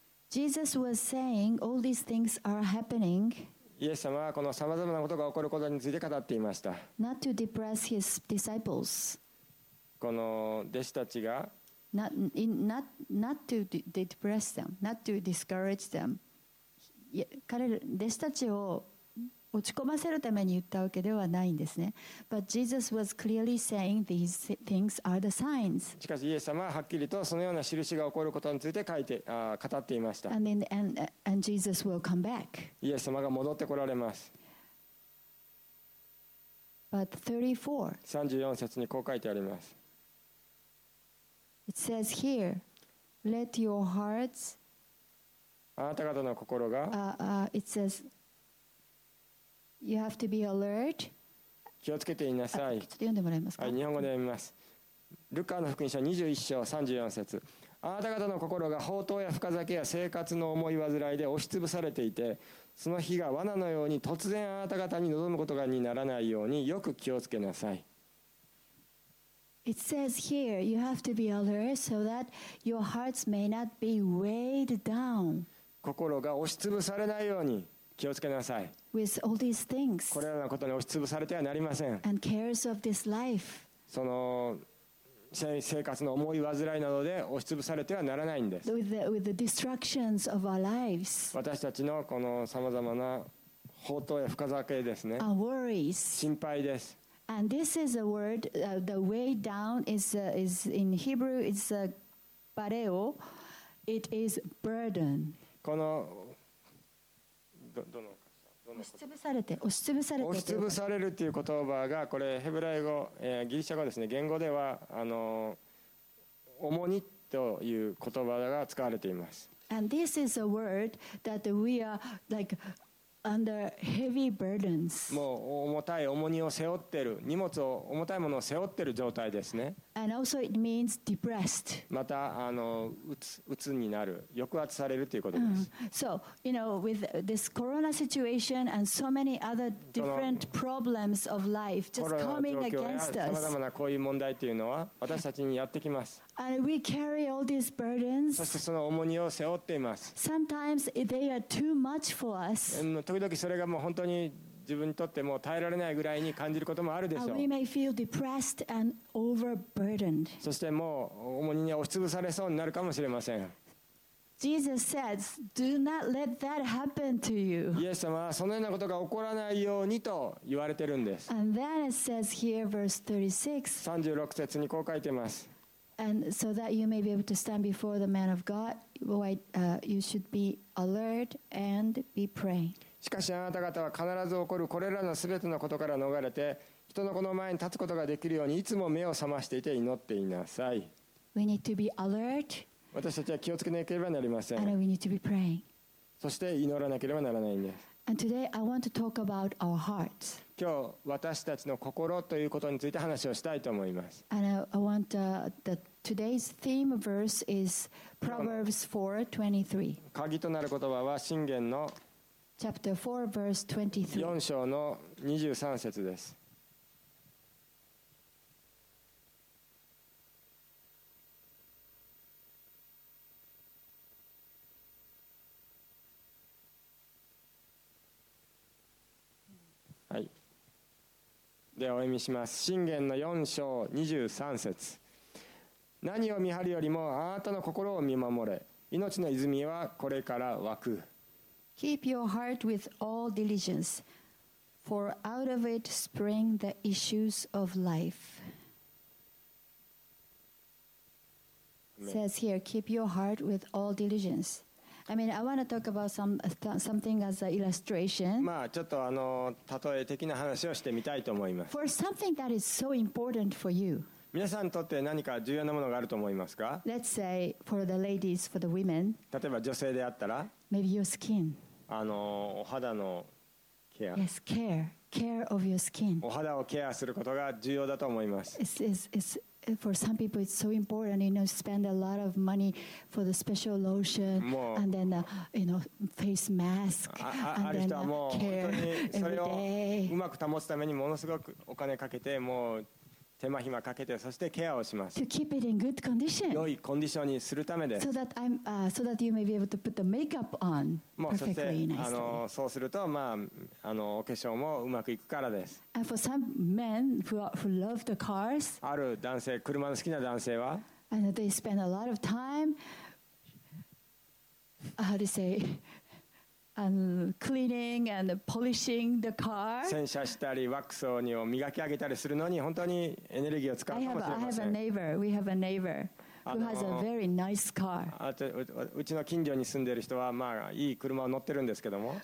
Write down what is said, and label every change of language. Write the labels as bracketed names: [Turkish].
[English] Jesus was saying, all these things are happening. [Japanese] イエス様はこのさまざまなことが起こることについて語っていました。 [English] Not to depress his disciples. [Japanese] この弟子たちが [English] Not to depress them, not to discourage them. [Japanese] 彼ら弟子たちを落ち込ませるために言ったわけではないんですね。 [English] But Jesus was clearly saying these things are the signs. [Japanese] しかしイエス様ははっきりとそのような印が起こることについて語っていました。 [English] And Jesus will come back. [Japanese] イエス様が戻ってこられます。 [English] But 34 [Japanese] 節にこう書いてあります。 [English] It says here, let your hearts. [Japanese] あなた方の心が。 [English] It says you have to be alert [Japanese] 気をつけていなさい。ちょっと読んでもらえますか。はい、日本語で読みます。ルカの福音書21章34節。あなた方の心が放蕩や深酒や生活の思い煩いで押しつぶされていて、その日が罠のように突然あなた方に臨むことにならないようによく気をつけなさい。 [English] It says here, you have to be alert so that your hearts may not be weighed down. [Japanese] 心が押しつぶされないように気をつけなさい。 [English] With all these things. [Japanese] これらのことに押しつぶされてはなりません。 [English] And cares of this life. [Japanese] その生活の思い煩いなどで押しつぶされてはならないんです。 [English] With the distractions of our lives. [Japanese] 私たちのこのさまざまな放蕩や深酒ですね。 [English] Our worries. [Japanese] 心配です。 [English] And this is a word, the way down is in Hebrew, it's a pareo, it is burden. [Japanese] この、押しつぶされるっていう言葉が、これヘブライ語、ギリシャ語ですね、言語では、重荷という言葉が使われています。 [English] And this is a word that we are like,Under heavy burdens. [Japanese] もう重たい重荷を背負ってる、荷物を重たいものを背負ってる状態ですね。 [English] And also it means depressed. [Japanese] またうつになる、抑圧されるということです。 [English] So, you know, with this corona situation and so many other different problems of life just coming against us. [Japanese] さまざまなこういう問題というのは私たちにやってきます。 [English] And we carry all these burdens. [Japanese] そしてその重荷を背負っています。 [English] Sometimes they are too much for us. [Japanese] 時々それがもう本当に自分にとってもう耐えられないぐらいに感じることもあるでしょう。 [English] We may feel depressed and overburdened. [Japanese] そしてもう重荷に押しつぶされそうになるかもしれません。 [English] Jesus says, "Do not let that happen to you." [Japanese] イエス様はそのようなことが起こらないようにと言われてるんです。 [English] And then it says here, verse 36. [Japanese] 36節にこう書いてます。 [English] And so that you may be able to stand before the man of God, you should be alert and be praying. [Japanese] しかしあなた方は必ず起こるこれらのすべてのことから逃れて人の子の前に立つことができるようにいつも目を覚ましていて祈っていなさい。 [English] We need to be alert. [Japanese] 私たちは気をつけなければなりません。 [English] And we need to be praying. [Japanese] そして祈らなければならないんです。 [English] And today I want to talk about our hearts. [Japanese] 今日私たちの心ということについて話をしたいと思います。 [English] And I want to, the today's theme verse is Proverbs 4:23. [Japanese] 鍵となる言葉は箴言の [English] Chapter 4, verse 23. [Japanese] 4章の23節です。はい。ではお読みします。箴言の4章23節。何を見張るよりもあなたの心を見守れ。命の泉はこれから湧く。 [English] Keep your heart with all diligence, for out of it spring the issues of life. It says here, keep your heart with all diligence. I mean, I want to talk about something as an illustration. [Japanese] まあ、ちょっと例え的な話をしてみたいと思います。 [English] For something that is so important for you. [Japanese] 皆さんにとって何か重要なものがあると思いますか? [English] Let's say, for the ladies, for the women. [Japanese] 例えば女性であったら? [English] Maybe your skin. [Japanese] お肌のケア。 [English] Yes, care of your skin. [Japanese] お肌をケアすることが重要だと思います。 [English] It's for some people it's so important. You know, spend a lot of money for the special lotion and then face mask and then care every day. [Japanese] それをうまく保つためにものすごくお金かけてもう。手間暇かけてそしてケアをします。 [English] To keep it in good condition. [Japanese] 良いコンディションにするためです。 [English] So that you may be able to put the makeup on perfectly nicely. [Japanese] そうするとまあお化粧もうまくいくからです。 [English] And for some men who love the cars. [Japanese] ある男性、車の好きな男性は。 [English] And they spend a lot of time. How to say? And cleaning and polishing the car. [Japanese] 洗車したりワックスを磨き上げたりするのに本当にエネルギーを使うかもしれません。 [English] I have a neighbor. We have a neighbor who has a very nice car. [Japanese] うちの近所に住んでいる人はまあいい車を乗ってるんですけども。